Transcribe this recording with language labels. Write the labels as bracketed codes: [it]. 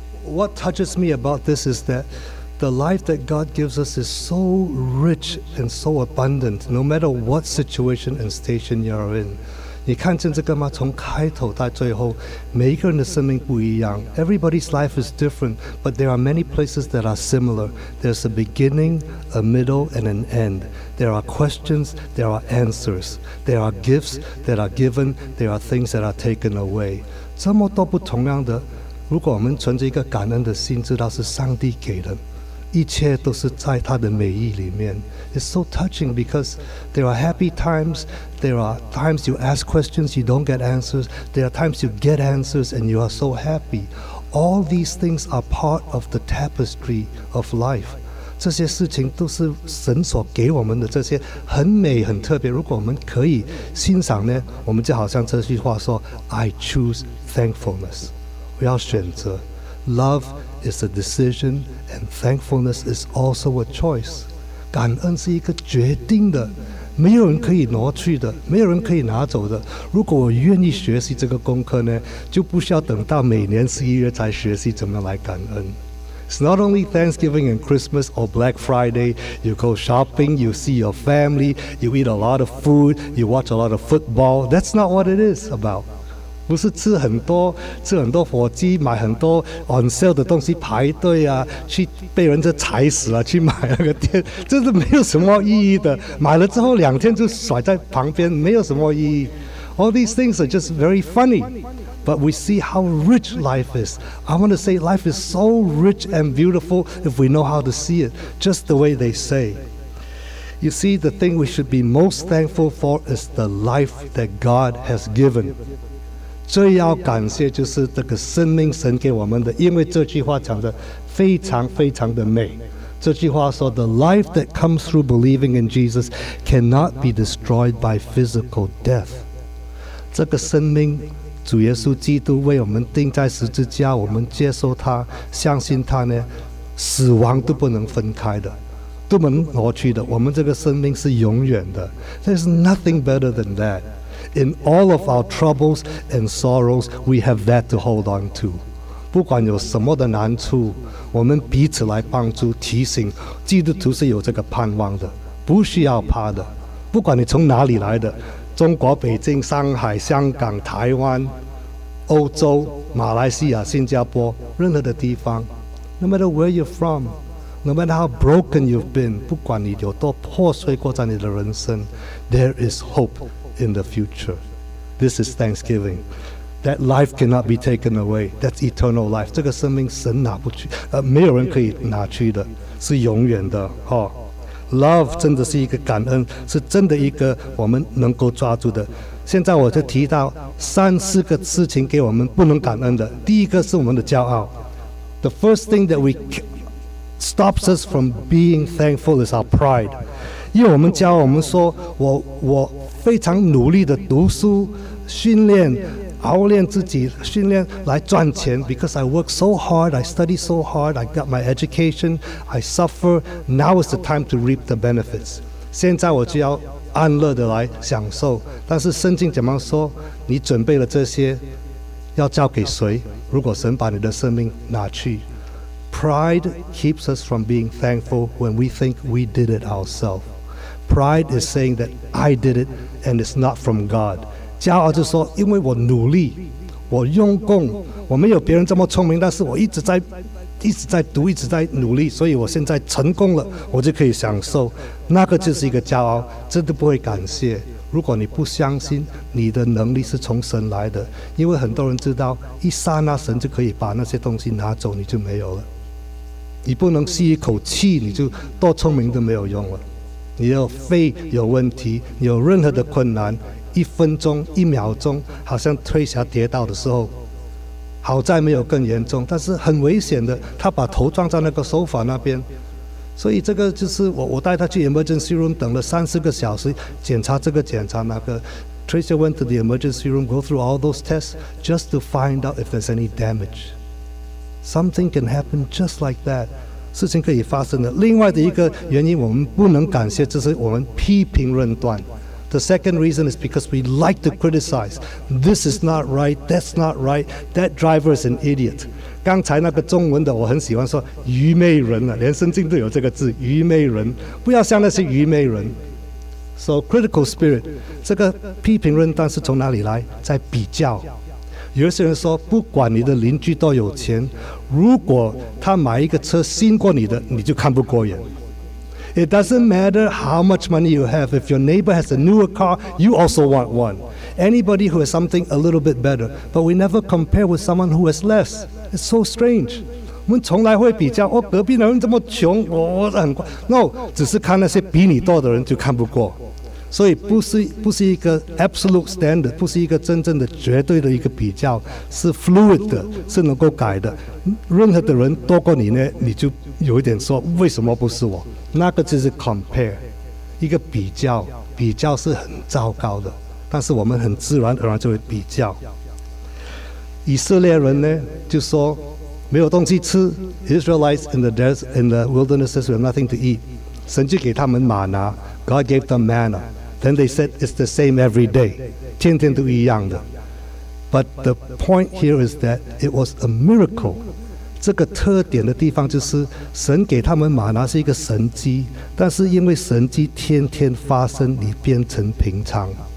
[en] what touches me about this is that the life that God gives us is so rich and so abundant no matter what situation and station you are in。 [zh] 你看见这个吗？从开头到最后，每一个人的生命不一样。 [en] Everybody's life is different, but there are many places that are similar. There's a beginning, a middle, and an end. There are questions, there are answers. There are gifts that are given, there are things that are taken away. [zh] 这么多不同样的，如果我们存着一个感恩的心，知道是上帝给的，一切都是在他的美意里面。 [en] It's so touching because there are happy times, there are times you ask questions, you don't get answers, there are times you get answers and you are so happy. All these things are part of the tapestry of life. [zh] 这些事情都是神所给我们的，这些很美很特别。如果我们可以欣赏呢，我们就好像这句话说， [en] I choose thankfulness. [zh] 我要选择。 [en] Love is a decision and thankfulness is also a choice. [zh] 感恩是一个决定的，没有人可以挪去的，没有人可以拿走的。如果我愿意学习这个功课呢，就不需要等到每年十一月才学习怎么来感恩。 [en] It's not only Thanksgiving and Christmas or Black Friday. You go shopping, you see your family, you eat a lot of food, you watch a lot of football. That's not what it is about. [zh] 不是吃很多火鸡，买很多 [en] on sale [zh] 的东西，排队啊，去被人家踩死了，去买那个店，这是没有什么意义的。买了之后两天就甩在旁边，没有什么意义。 [en] All these things are just very funny, but we see how rich life is. I want to say life is so rich and beautiful if we know how to see it, just the way they say. You see, the thing we should be most thankful for is the life that God has given. [zh] 最要感谢就是这个生命神给我们的，因为这句话讲得非常非常的美。这句话说 [en] The life that comes through believing in Jesus cannot be destroyed by physical death. [zh] 这个生命主耶稣基督为我们钉在十字架，我们接受他，相信他呢，死亡都不能分开的，都不能挪去的，我们这个生命是永远的。 [en] There's nothing better than thatIn all of our troubles and sorrows, we have that to hold on to. [zh] 不管有什么的难处，我们彼此来帮助提醒，基督徒是有这个盼望的，不需要怕的。不管你从哪里来的，中国、北京、上海、香港、台湾、欧洲、马来西亚、新加坡，任何的地方， [en] no matter where you're from, no matter how broken you've been, [zh] 不管你有多破碎过在你的人生， [en] there is hope. In the future. This is Thanksgiving. That life cannot be taken away. That's eternal life. [zh] 这个生命神拿不去，没有人可以拿去的，是永远的。 Love 真的是一个感恩，是真的一个我们能够抓住的。现在我就提到三四个事情给我们不能感恩的。第一个是我们的骄傲。 [en] The first thing that we stops us from being thankful is our pride. [zh] 因为我们教我们说 我非常努力的读书训练熬练自己训练来赚钱 [en] because I work so hard, I study so hard, I got my education, I suffer, now is the time to reap the benefits. [zh] 现在我就要安乐的来享受，但是圣经怎么说，你准备了这些要交给谁，如果神把你的生命拿去。 [en] Pride keeps us from being thankful when we think we did it ourselves. Pride is saying that I did it and it's not from God. [zh] 骄傲就说因为我努力我用功，我没有别人这么聪明，但是我一直在读，一直在努力，所以我现在成功了，我就可以享受，那个就是一个骄傲，真的不会感谢。如果你不相信你的能力是从神来的，因为很多人知道一刹那神就可以把那些东西拿走，你就没有了，你不能吸一口气你就多聪明都没有用了，你的肺有问题，有任何的困难，一分钟一秒钟好像推下跌倒的时候，好在没有更严重，但是很危险的，他把头撞在那个手法那边，所以这个就是我带他去 emergency room 等了三四个小时，检查这个检查那个， [en] Tracy went to the emergency room, go through all those tests just to find out if there's any damage. Something can happen just like that. [zh] 事情可以发生的。另外的一个原因我们不能感谢，就是我们批评论断。 [en] The second reason is because we like to criticize. This is not right, that's not right, that driver is an idiot. [zh] 刚才那个中文的我很喜欢说愚昧人、啊、连圣经都有这个字愚昧人，不要像那些愚昧人。 [en] So critical spirit, [zh] 这个批评论断是从哪里来？在比较。有些人说不管你的邻居多有钱，如果他买一个车新过你的，你就看不过眼。 [en] It doesn't matter how much money you have. If your neighbor has a newer car, you also want one. Anybody who has something a little bit better. But we never compare with someone who has less. It's so strange. [zh] 我们从来会比较，哦，隔壁的人这么穷，我很怪。 No, 只是看那些比你多的人就看不过。所以不是一个 [en] absolute standard, [zh] 不是一个真正的绝对的一个比较，是 fluid 的，是能够改的。任何的人多过你呢，你就有一点说为什么不是我？那个就是 compare, 一个比较，比较是很糟糕的，但是我们很自然而然就会比较。以色列人呢就说没有东西吃 [en] ，Israelites in the desert, in the wilderness says we have nothing to eat. [zh] 神就给他们玛拿。 [en] God gave them manna. Then they said, it's the same every day. [zh] 天天都一样的。 [en] But the point here is that it was a miracle. [zh] 这个特点的地方就是神给他们玛拿是一个神迹，但是因为神迹天天发生，你变成平常。